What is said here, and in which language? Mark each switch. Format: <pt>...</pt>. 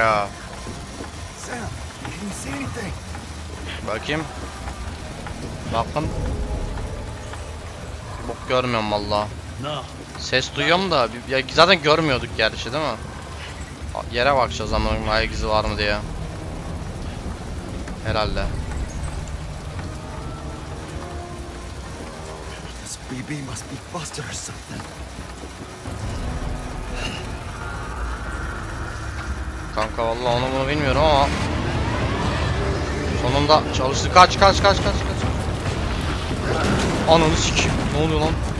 <en>Sam, can you see anything?</en> <tr>Bakayım. Bakın. Bok görmüyorum vallahi. Ses duyuyorum da ya, zaten görmüyorduk gerçi değil mi? Yere bakacağız ama ayak izi var mı diye. Herhalde.</tr> <en>This BB must be faster or something.</en> <tr>Kanka valla onu bunu bilmiyorum ama sonunda çalıştı. Kaç kaç kaç kaç kaç. Ananı sikeyim. Ne oluyor lan?</tr>